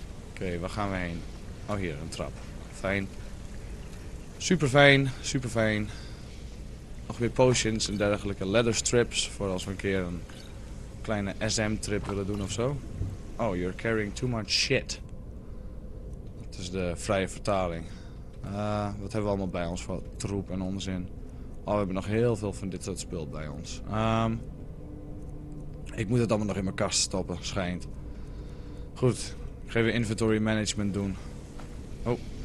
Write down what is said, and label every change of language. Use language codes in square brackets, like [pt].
[nl] Oké, waar gaan we heen? Oh, hier, een trap. Fijn. Superfijn. Nog weer potions en dergelijke. [en] Leather strips, [nl] voor als we een keer een kleine SM-trip willen doen of zo. [en] Oh, you're carrying too much shit. [nl] Dat is de vrije vertaling. Wat hebben we allemaal bij ons voor troep en onzin? Oh, we hebben nog heel veel van dit soort spul bij ons. Ik moet het allemaal nog in mijn kast stoppen, schijnt. Goed, ik ga even inventory management doen. Oh.